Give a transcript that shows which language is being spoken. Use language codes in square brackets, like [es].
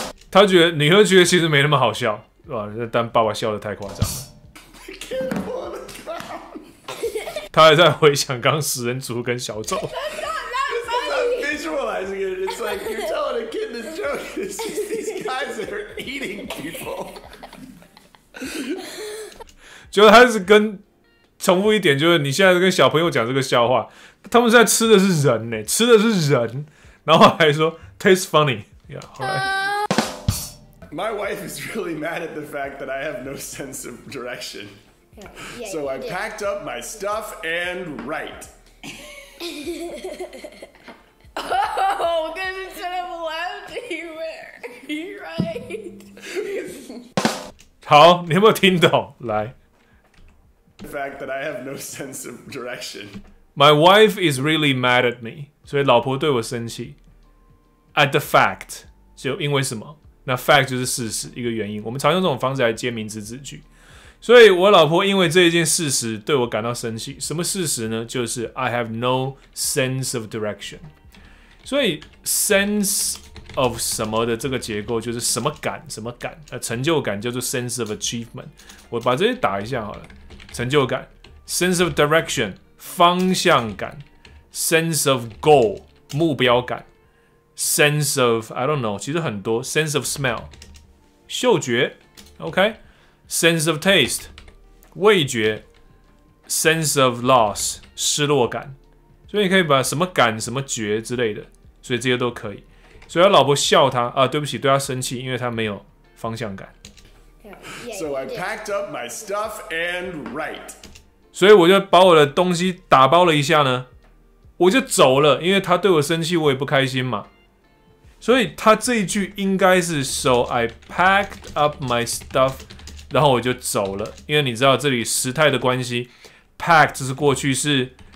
[zh] 他觉得，你会觉得其实没那么好笑，但爸爸笑得太夸张了。他还在回想刚死人族跟小丑。 [en] Visualizing it, it's like you're telling a kid this joke. It's just these guys that are eating people. [zh] 就他是跟重复一点，就是你现在跟小朋友讲这个笑话，他们现在吃的是人呢、欸，吃的是人。然后还说 [en] tastes funny， yeah， all right。 My wife is really mad at the fact that I have no sense of direction. Yeah, yeah, so I packed up my stuff and right. Oh, because instead of left, he right. [zh] 好，你有没有听懂？来。 [en] The fact that I have no sense of direction. My wife is really mad at me. [zh] 所以老婆对我生气。 [en] At the fact， [zh] 就因为什么？那 fact 就是事实，一个原因。我们常用这种方式来接名词子句。所以我老婆因为这一件事实对我感到生气。什么事实呢？就是 [en] I have no sense of direction。 [zh] 所以 sense of 什么的这个结构就是什么感，什么感，成就感叫做 [en] sense of achievement。 [zh] 我把这些打一下好了，成就感 ， [en] sense of direction [zh] 方向感 ， [en] sense of goal [zh] 目标感 ， [en] sense of I don't know， [zh] 其实很多 [en] sense of smell [zh] 嗅觉 ，OK， [en] sense of taste [zh] 味觉 ， [en] sense of loss [zh] 失落感。所以你可以把什么感、什么觉之类的，所以这些都可以。所以他老婆笑他啊，对不起，对他生气，因为他没有方向感。 So I packed up my stuff and right. 所以我就把我的东西打包了一下呢，我就走了，因为他对我生气，我也不开心嘛。所以他这一句应该是 [en] So I packed up my stuff， [zh] 然后我就走了，因为你知道这里时态的关系 ，packed 是过去式。